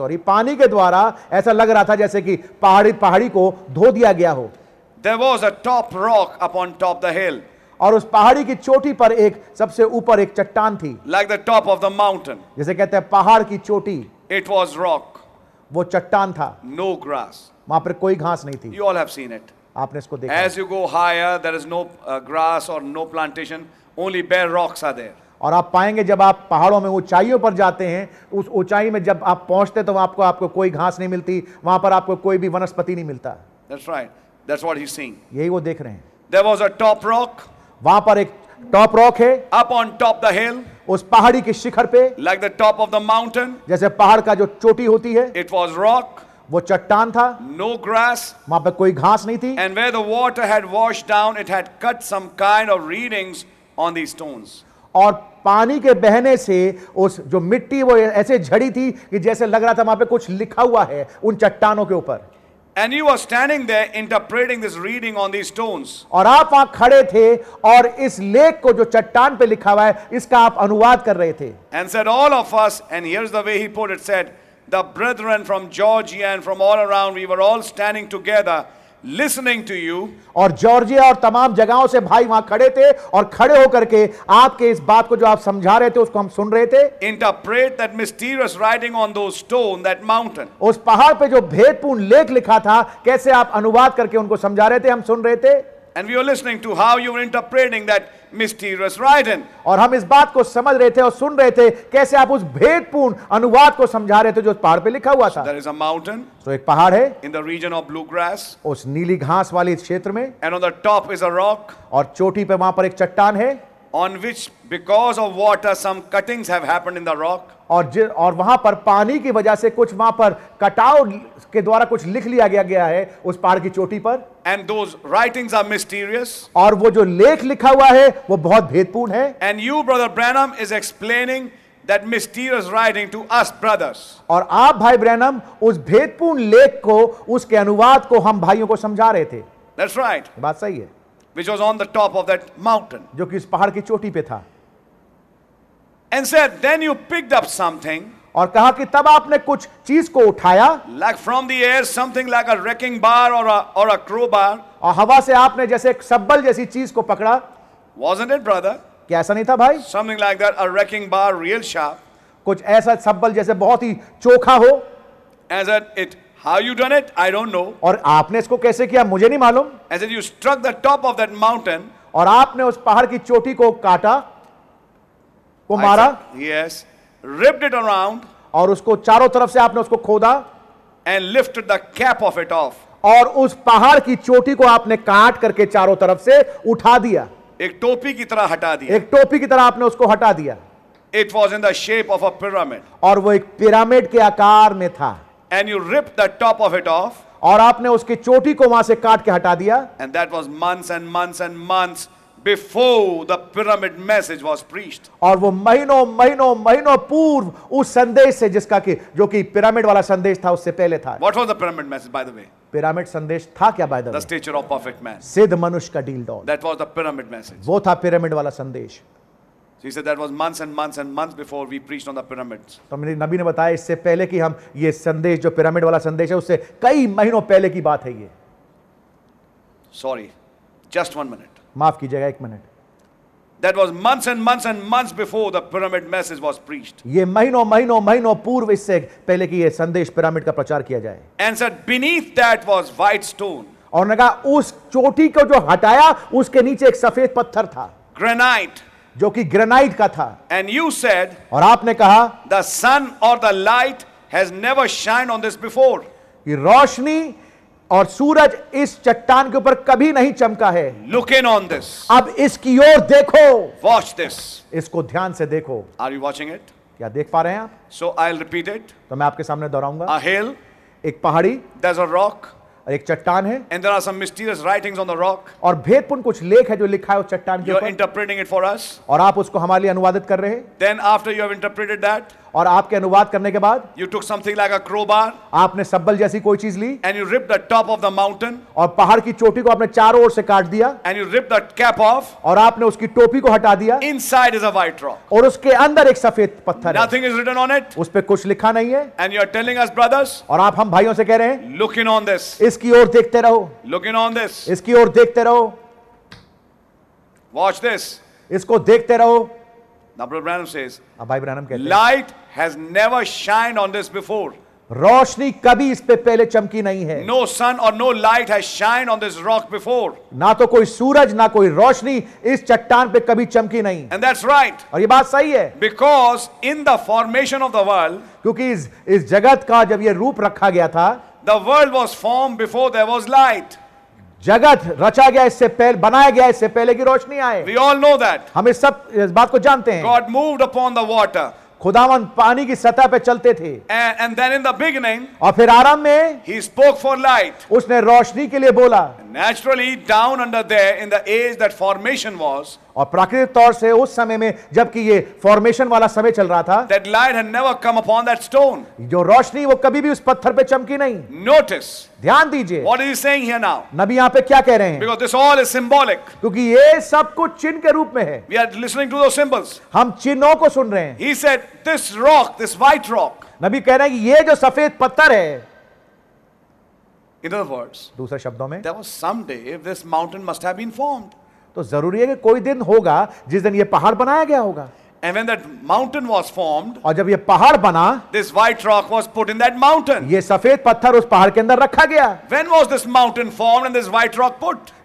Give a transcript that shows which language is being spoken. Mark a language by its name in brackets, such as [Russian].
[Hindi] पानी के द्वारा ऐसा लग रहा था जैसे कि पहाड़ी को धो दिया गया हो. [English] There was a top rock upon top the hill, [Hindi] और उस पहाड़ी की चोटी पर एक सबसे ऊपर एक चट्टान थी. [English] Like the top of the mountain, [Hindi] जैसे कहते हैं पहाड़ की चोटी. [English] It was rock, [Hindi] वो चट्टान था. [English] no grass, [Hindi] वहां पर कोई घास नहीं थी. [English] you all have seen it, [Hindi] आपने इसको देखा. [English] As you go higher there is no grass और no plantation, only bare rocks are there. [Hindi] और आप पाएंगे जब आप पहाड़ों में ऊंचाइयों पर जाते हैं, उस ऊंचाई में जब आप पहुंचते तो आपको आपको कोई घास नहीं मिलती, वहां पर आपको कोई भी वनस्पति नहीं मिलता. [English] That's right. That's what he's seeing. [Hindi] यही वो देख रहे हैं. [English] There was a top rock. [Hindi] वहां पर एक टॉप रॉक है. [English] Up on top the hill. [Hindi] उस पहाड़ी के शिखर पे. [English] Like the top of the mountain. [Hindi] जैसे पहाड़ का जो चोटी होती है. [English] It was rock. [Hindi] वो चट्टान था. [English] No grass. [Hindi] वहां पर कोई घास नहीं थी. [English] And where the water had washed down, it had cut some kind of readings on these stones. [Hindi] और पानी के बहने से उस जो मिट्टी वो ऐसे झड़ी थी कि जैसे लग रहा था वहां पे कुछ लिखा हुआ है उन चट्टानों के ऊपर. [English] And you were standing there interpreting this reading on these stones. [Hindi] और आप वहां खड़े थे और इस लेख को जो चट्टान पे लिखा हुआ है इसका आप अनुवाद कर रहे थे. [English] And said all of us, and here's the way he put it, said the brethren from Georgia and from all around, we were all standing together listening to you. [Hindi] और जॉर्जिया और तमाम जगहों से भाई वहां खड़े थे और खड़े होकर के आपके इस बात को जो आप समझा रहे थे उसको हम सुन रहे थे. [English] Interpret that mysterious writing on those stone, that mountain. [Hindi] उस पहाड़ पे जो भेदपूर्ण लेख लिखा था कैसे आप अनुवाद करके उनको समझा रहे थे, हम सुन रहे थे. [English] And we were listening to how you were interpreting that mysterious writing. [Hindi] और हम इस बात को समझ रहे थे और सुन रहे थे कैसे आप उस भेदपूर्ण अनुवाद को समझा रहे थे जो उस पहाड़ पे लिखा हुआ था. [English] There is a mountain. [Hindi] तो एक पहाड़ है. [English] In the region of bluegrass. [Hindi] उस नीली घास वाले क्षेत्र में. [English] And on the top is a rock. [Hindi] और चोटी पे वहाँ पर एक चट्टान है. [English] On which, because of water, some cuttings have happened in the rock. [Hindi] और वहाँ पर पानी की वजह से कुछ वहाँ पर कटाव के द्वारा कुछ लिख लिया गया है उस पहाड़ की चोटी पर. [English] And those writings are mysterious. [Hindi] और वो जो लेख लिखा हुआ है वो बहुत भेदपूर्ण है. [English] And you, brother Branham, is explaining that mysterious writing to us brothers. [Hindi] और आप भाई ब्रैनम उस भेदपूर्ण लेख को उसके अनुवाद को हम भाइयों को समझा रहे थे. [English] That's right. [Hindi] बात सही है. [English] Which was on the top of that mountain. [Hindi] जो कि इस पहाड़ की चोटी पे था. [English] And said, then you picked up something. [Hindi] और कहा कि तब आपने कुछ चीज को उठाया. [English] Like from the air, something like a wrecking bar or a crowbar. [Hindi] और हवा से आपने जैसे एक सब्बल जैसी चीज को पकड़ा. [English] Wasn't it, brother? [Hindi] क्या ऐसा नहीं था भाई? [English] Something like that, a wrecking bar, real sharp. [Hindi] कुछ ऐसा सब्बल जैसे बहुत ही चोखा हो. [English] As it. How you done it? I don't know. [Hindi] और आपने इसको कैसे किया? मुझे नहीं मालूम. [English] As if you struck the top of that mountain. [Hindi] और आपने उस पहाड़ की चोटी को काटा, को मारा. [English] Yes. Ripped it around. [Hindi] और उसको चारों तरफ से आपने उसको खोदा. [English] And lifted the cap of it off. [Hindi] और उस पहाड़ की चोटी को आपने काट करके चारों तरफ से उठा दिया. एक टोपी की तरह हटा दिया. एक टोपी की तरह आपने उसको हटा दिया. [English] It was in the shape of a pyramid. [Hindi] और वो एक पिरामिड के आकार में था. [English] And you ripped the top of it off. [Hindi] और आपने उसकी चोटी को वहां से काट के हटा दिया. [English] And that was months and months and months before the pyramid message was preached. [Hindi] और वो महीनों महीनों महीनों पूर्व उस संदेश से जिसका कि जो कि पिरामिड वाला संदेश था उससे पहले था. [English] What was the pyramid message, by the way? [Hindi] Pyramid संदेश था क्या, [English] by the way? The stature of perfect man. [Hindi] सिद्ध मनुष्य का deal doll. [English] That was the pyramid message. [Hindi] वो था पिरामिड वाला संदेश. [English] He said that was months and months and months before we preached on the pyramids. [Hindi] तो मेरे नबी ने बताया इससे पहले कि हम ये संदेश जो पिरामिड वाला संदेश है उससे कई महीनों पहले की बात है ये. [English] Sorry, just one minute. [Hindi] माफ कीजिएगा एक minute. [English] That was months and months and months before the pyramid message was preached. [Hindi] ये महीनों महीनों महीनों पूर्व इससे पहले कि ये संदेश पिरामिड का प्रचार किया जाए. [English] And said beneath that was white stone. [Hindi] और ने कहा उस चोटी को जो हटाया उसके नीचे एक सफेद पत्थर था. [English] Granite. [Hindi] जो कि ग्रेनाइट का था. [English] And you said, [Hindi] और आपने कहा, [English] the sun or the light has never shined on this before. [Hindi] कि रोशनी और सूरज इस चट्टान के ऊपर कभी नहीं चमका है. [English] Look in on this. [Hindi] अब इसकी ओर देखो. [English] Watch this. [Hindi] इसको ध्यान से देखो. [English] Are you watching it? [Hindi] क्या देख पा रहे हैं आप? [English] So I'll repeat it. [Hindi] तो मैं आपके सामने दोहराऊंगा. [English] A hill. [Hindi] एक पहाड़ी. [English] There's a rock. [Hindi] एक चट्टान है. [English] And there are some mysterious writings on the rock. [Hindi] और भेदपूर्ण कुछ लेख है जो लिखा है उस चट्टान के ऊपर. [English] You're interpreting it for us. [Hindi] और आप उसको हमारे लिए अनुवादित कर रहे हैं. [English] Then after you have interpreted that. [Hindi] और आपके अनुवाद करने के बाद. [English] You took something like a crowbar. [Hindi] आपने सब्बल जैसी कोई चीज ली. [English] And you ripped the top of the mountain. [Hindi] और पहाड़ की चोटी को आपने चारों ओर से काट दिया. [English] And you ripped the cap off. [Hindi] और आपने उसकी टोपी को हटा दिया. [English] Inside is a white rock. [Hindi] और उसके अंदर एक सफेद पत्थर. [English] Nothing is written on it. [Hindi] उस पे कुछ लिखा नहीं है. [English] And you are telling us, brothers. [Hindi] और आप हम भाइयों से कह रहे हैं. [English] Looking on this. [Hindi] इसकी ओर देखते रहो. [English] Looking on this. [Hindi] इसकी ओर देखते रहो. [English] Watch this. [Hindi] इसको देखते रहो. [English] Now, Brother Branham says, [Hindi] भाई ब्रैनम कहते [English] हैं, light has never shined on this before. [Hindi] रोशनी कभी इस पे पहले चमकी नहीं है. [English] No sun or no light has shined on this rock before. [Hindi] ना तो कोई सूरज ना कोई रोशनी इस चट्टान पे कभी चमकी नहीं. [English] And that's right. [Hindi] और ये बात सही है. [English] Because in the formation of the world, [Hindi] क्योंकि इस जगत का जब ये रूप रखा गया था, [English] the world was formed before there was light. [Hindi] जगत रचा गया इससे पहले, बनाया गया इससे पहले कि रोशनी आए. [English] We all know that. [Hindi] हम इस सब इस बात को जानते हैं. [English] God moved upon the water. [Hindi] खुदावन पानी की सतह पे चलते थे. [English] And then in the beginning, [Hindi] और फिर आरंभ में, [English] he spoke for light. [Hindi] उसने रोशनी के लिए बोला. [English] Naturally, down under there in the age that formation was, [Hindi] और प्राकृतिक तौर से उस समय में जबकि ये फॉर्मेशन वाला समय चल रहा था, [English] that light had never come upon that stone. [Hindi] जो रोशनी वो कभी भी उस पत्थर पे चमकी नहीं. [English] Notice, [Hindi] ध्यान दीजिए, [English] what is he saying here now? [Hindi] नबी यहाँ पे क्या कह रहे हैं? [English] Because this all is symbolic. [Hindi] क्योंकि ये सब कुछ चिन्ह के रूप में है. [English] We are listening to those symbols. [Hindi] हम चिन्हों को सुन रहे हैं. [English] He said, this rock, this white rock. [Hindi] नबी कह रहे हैं कि ये जो सफेद पत्थर है, [English] in other words, [Hindi] दूसरे शब्दों में, [English] there was someday this mountain must have been formed. [Hindi] तो जरूरी है कि कोई दिन होगा जिस दिन ये पहाड़ बनाया गया होगा. [English] And when that mountain was formed, [Hindi] और जब ये पहाड़ बना, [English] this white rock was put in that mountain. [Hindi] ये सफेद पत्थर उस पहाड़ के अंदर रखा गया. [English] When was this mountain formed and this white rock put?